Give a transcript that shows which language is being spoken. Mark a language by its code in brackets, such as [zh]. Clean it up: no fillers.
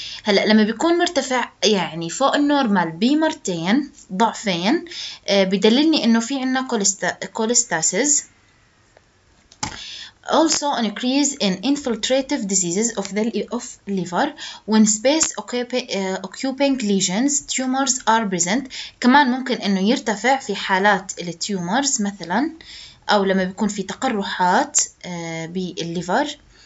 [ar] هلا لما بيكون مرتفع يعني فوق النورمال بمرتين ضعفين بيدللني انه في عنا كولستاسيز. [en] Also an increase in infiltrative diseases of the liver when space occupying lesions, tumors are present. [ar] كمان ممكن انه يرتفع في حالات التيومرز مثلا او لما بيكون في تقرحات بالليفر.